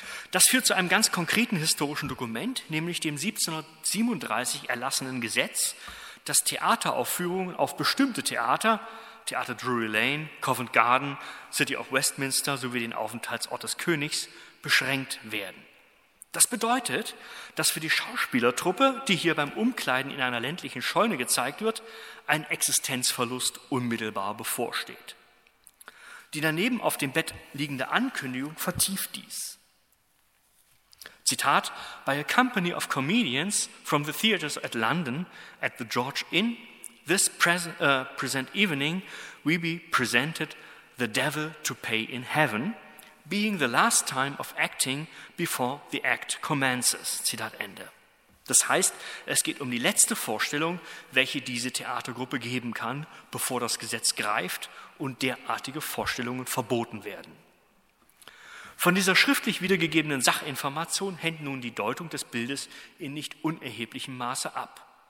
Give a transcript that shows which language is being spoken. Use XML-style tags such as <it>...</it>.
<de>Das führt zu einem ganz konkreten historischen Dokument, nämlich dem 1737 erlassenen Gesetz, das Theateraufführungen auf bestimmte Theater, Theater Drury Lane, Covent Garden, City of Westminster sowie den Aufenthaltsort des Königs, beschränkt werden. Das bedeutet, dass für die Schauspielertruppe, die hier beim Umkleiden in einer ländlichen Scheune gezeigt wird, ein Existenzverlust unmittelbar bevorsteht. Die daneben auf dem Bett liegende Ankündigung vertieft dies.</de> <en>Zitat: By a company of comedians from the theaters at London at the George Inn, this present evening we be presented The Devil to Pay in Heaven, being the last time of acting before the act commences.</en> <de>Zitat Ende. Das heißt, es geht um die letzte Vorstellung, welche diese Theatergruppe geben kann, bevor das Gesetz greift und derartige Vorstellungen verboten werden. Von dieser schriftlich wiedergegebenen Sachinformation hängt nun die Deutung des Bildes in nicht unerheblichem Maße ab.</de>